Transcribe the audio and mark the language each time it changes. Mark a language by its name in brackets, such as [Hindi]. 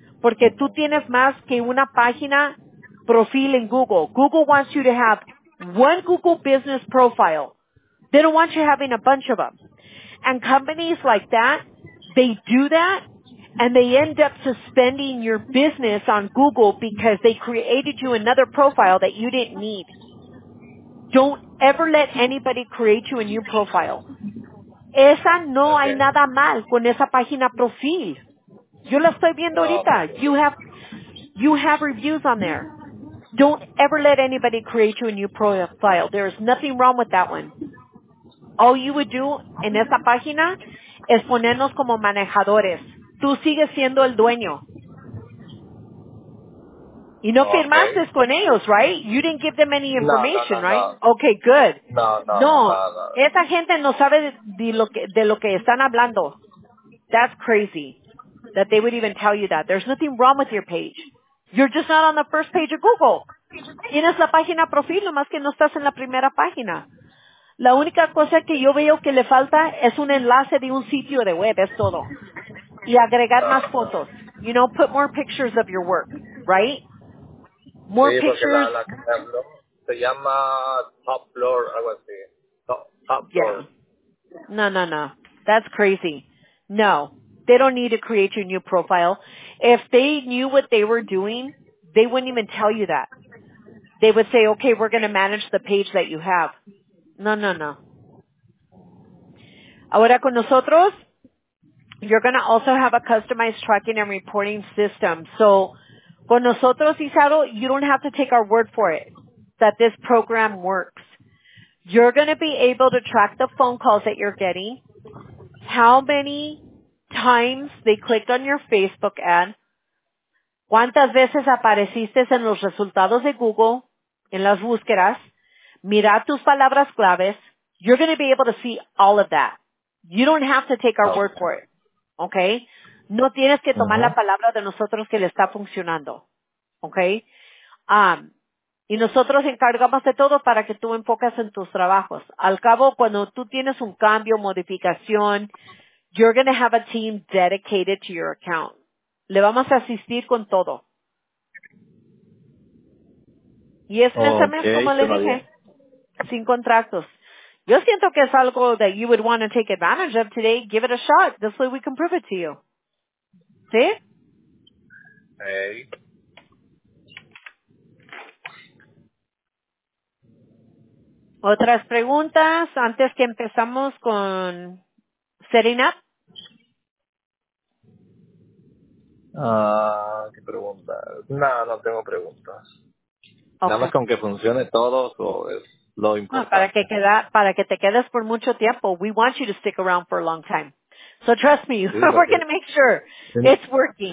[Spanish] Porque tú tienes más que una página profil en Google. [English] Google wants you to have one Google business profile. They don't want you having a bunch of them. And companies like that, they do that and they end up suspending your business on Google because they created you another profile that you didn't need. Don't ever let anybody create you a new profile. [Spanish] Esa no hay nada mal con esa página profil. Yo la estoy viendo ahorita. [English] You have reviews on there. Don't ever let anybody create you a new profile. There is nothing wrong with that one. All you would do [Spanish] en esta página es ponernos como manejadores. Tú sigues siendo el dueño. Y no firmaste con ellos, [English] right? You didn't give them any information, right? Okay, good. [Spanish] No. Esa gente no sabe de lo que están hablando. [English] That's crazy that they would even tell you that. There's nothing wrong with your page. You're just not on the first page of Google. [Spanish] Tienes la página profil, nomás que no estás en la primera página. La única cosa que yo veo que le falta es un enlace de un sitio de web, es todo. Y agregar más fotos. [English] You know, put more pictures of your work, right? More [Spanish] sí, [English] pictures. [Spanish] Se llama Top Floor, algo así. Top Floor. [English] Yeah. No. That's crazy. No. They don't need to create your new profile. If they knew what they were doing, they wouldn't even tell you that. They would say, okay, we're going to manage the page that you have. No. [Spanish] Ahora con nosotros, [English] you're going to also have a customized tracking and reporting system. So [Spanish] con nosotros, [English] Isado, you don't have to take our word for it that this program works. You're going to be able to track the phone calls that you're getting, how many times they clicked on your Facebook ad, [Spanish] cuántas veces apareciste en los resultados de Google, en las búsquedas, mirar tus palabras claves. [English] You're going to be able to see all of that. You don't have to take our word for it, okay? [Spanish] No tienes que tomar la palabra de nosotros que le está funcionando, okay? Y nosotros encargamos de todo para que tú enfocas en tus trabajos. Al cabo, cuando tú tienes un cambio, modificación, [English] you're going to have a team dedicated to your account. [Spanish] Le vamos a asistir con todo. Y es [English] okay, [Spanish] como le dije, sin contratos. Yo siento que es algo [English] that you would want to take advantage of today. Give it a shot. This way we can prove it to you. [Spanish] ¿Sí? [English] Hey. [Spanish] ¿Otras preguntas antes que empezamos con setting up? ¿Qué pregunta? No tengo preguntas. [English] Okay. [Spanish] Nada más con que funcione todo, so es lo importante. No, para que te quedes por mucho tiempo. [English] We want you to stick around for a long time. So trust me, we're going to make sure it's working.